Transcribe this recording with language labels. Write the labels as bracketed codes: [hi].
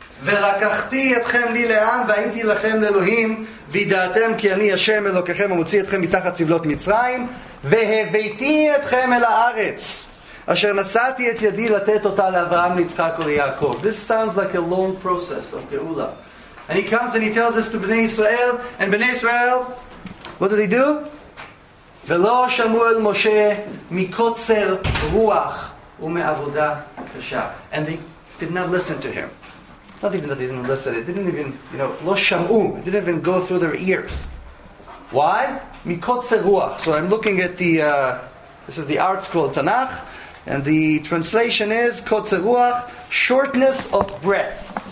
[he] ורקחתי אתכם לי לעם והייתי לכם לאלוהים וידעתם כי אני השם אלוקיכם המוציא אתכם מתחת צבלות מצרים והבאתי אתכם אל הארץ אשר נשאתי את ידי לתת אותה לאברהם ליצחק וליעקב. [en] This sounds like a long process of geula. And he comes and he tells this to Bnei Israel, and Bnei Israel, what do they do? [he] ולא שמעו אל משה מקוצר רוח ומעבודה קשה. [en] And they did not listen to him. It's not even that they didn't listen. It didn't even, you know, [he] lo shamu. [en] It didn't even go through their ears. Why? Mikotzer ruach. So I'm looking at this is the art scroll Tanakh, and the translation is kotzer ruach, shortness of breath.